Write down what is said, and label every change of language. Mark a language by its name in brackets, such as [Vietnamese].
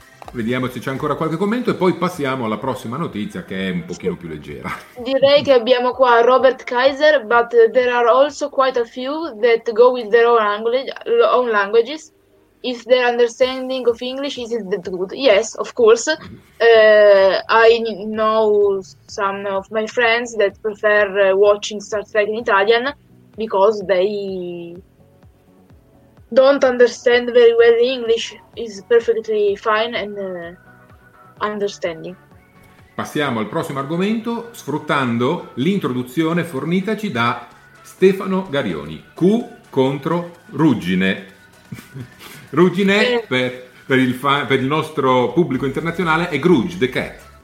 [Italian] Vediamo se c'è ancora qualche commento e poi passiamo alla prossima notizia, che è un pochino più leggera. Direi che abbiamo qua [English] Robert Kaiser, but there are also quite a few that go with their own languages. If their understanding of English is that good. Yes, of course. I know some of my friends that prefer watching Star Trek in Italian because they don't understand very well English is perfectly fine and understanding. [Italian] Passiamo al prossimo argomento sfruttando l'introduzione fornitaci da Stefano Garioni. Q contro ruggine. Ruggine per il nostro pubblico internazionale è Grudge, the cat.